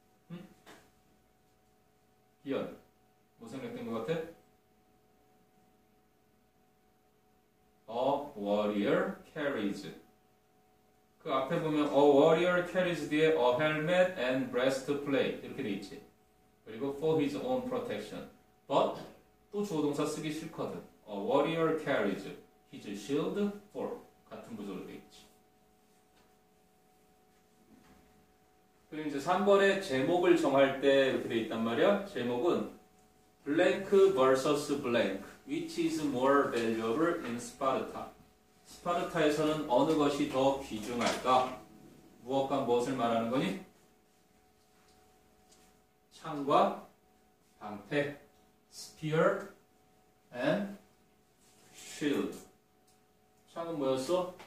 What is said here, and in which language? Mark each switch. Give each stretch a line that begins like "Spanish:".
Korean: 응? 기현, 뭐 생각된 것 같아?
English: A warrior carries.
Korean: 그 앞에 보면
English: A warrior carries
Korean: 뒤에
English: a helmet and breastplate
Korean: 이렇게 돼 있지.
English: 그리고 for his own protection.
Korean: But 또 주어동사 쓰기 싫거든.
English: A warrior carries his shield for
Korean: 같은 구조로 돼 있지. 그리고 이제 3번에 제목을 정할 때 이렇게 돼 있단 말이야. 제목은 blank vs blank.
English: Which is more valuable in Sparta?
Korean: 스파르타에서는 어느 것이 더 귀중할까? 무엇과 무엇을 말하는 거니? 창과 방패.
English: Spear and shield.
Korean: 창은 뭐였어?